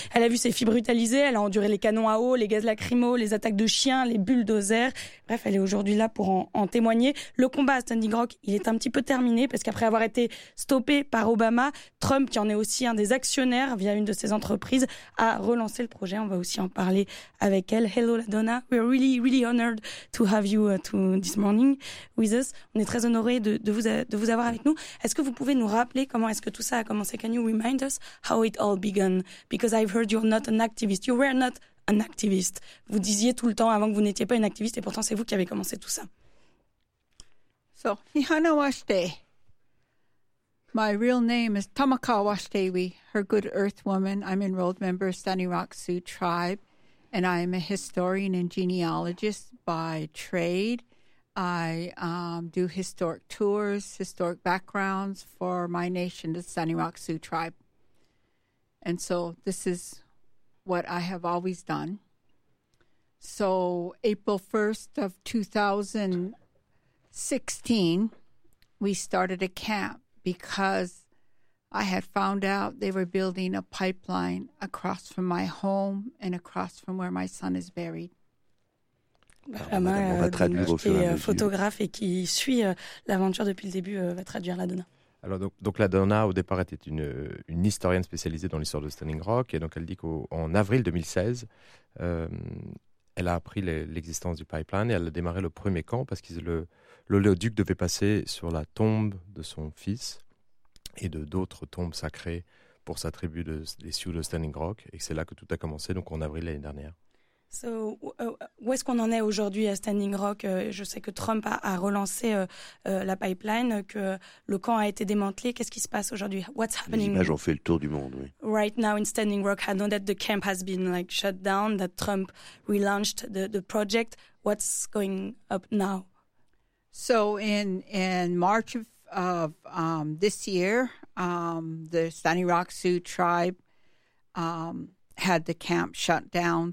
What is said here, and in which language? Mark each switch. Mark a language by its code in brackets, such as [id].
[fr] Elle a vu ses filles brutalisées, elle a enduré les canons à eau, les gaz lacrymaux, les attaques de chiens, les bulldozers. Bref, elle est aujourd'hui là pour en témoigner. Le combat à Standing Rock, il est un petit peu terminé, parce qu'après avoir été stoppé par Obama, Trump, qui en est aussi un des actionnaires via une de ses entreprises, a relancé le projet. On va aussi en parler avec elle. Hello, LaDonna. [en] We're really, really honored to have you this morning with us. [fr] On est très honorés de vous avoir avec nous. Est-ce que vous pouvez nous rappeler comment est-ce que tout ça a commencé? [en] Can you remind us how it all began? Because I've heard you're not an activist. You were not an activist. [fr] Vous disiez tout le temps avant que vous n'étiez pas une activiste et pourtant c'est vous qui avez commencé tout ça. [en] So, Ihana Washte. My real name is Tamaka Washtewi, her good earth woman. I'm enrolled member of Standing Rock Sioux Tribe and I'm a historian and genealogist by trade. I do historic tours, historic backgrounds for my nation, the Standing Rock Sioux Tribe. And so this is what I have always done. So April 1st of 2016, we started a camp because I had found out they were building a pipeline across from my home and across from where my son is buried. [fr] Madame, on va traduire au fur et à mesure. Et qui suit l'aventure depuis le début va traduire la Donna. Alors donc la Donna au départ était une historienne spécialisée dans l'histoire de Standing Rock et donc elle dit qu'en avril 2016 elle a appris l'existence du pipeline et elle a démarré le premier camp parce que l'oléoduc devait passer sur la tombe de son fils et de d'autres tombes sacrées pour sa tribu des Sioux de Standing Rock et c'est là que tout a commencé donc en avril l'année dernière. So, où est-ce qu'on en est aujourd'hui à Standing Rock? Je sais que Trump a relancé la pipeline, que le camp a été démantelé. Qu'est-ce qui se passe aujourd'hui? [en] What's happening? [fr] Les images ont fait le tour du monde, oui. [en] Right now in Standing Rock, I know that the camp has been like shut down, that Trump relaunched the project. What's going up now? So in March of this year, the Standing Rock Sioux tribe had the camp shut down.